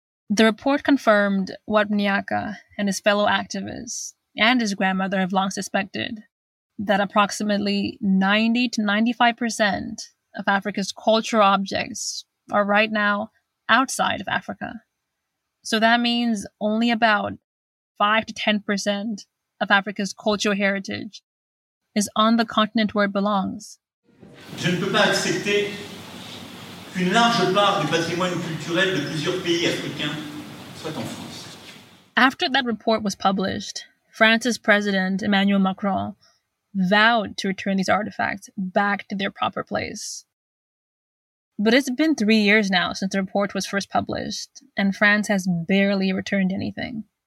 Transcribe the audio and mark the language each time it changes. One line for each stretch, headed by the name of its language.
English: The report confirmed what Mnyaka and his fellow activists and his grandmother have long suspected, that approximately 90 to 95% of Africa's cultural objects are right now outside of Africa. So that means only about 5 to 10% of Africa's cultural heritage is on the continent where it belongs.
French: Je ne peux pas accepter qu'une large part du patrimoine culturel de plusieurs pays africains soit en France.
English: After that report was published, France's president Emmanuel Macron vowed to return these artifacts back to their proper place. But it's been 3 years now since the report was first published, and France has barely returned anything.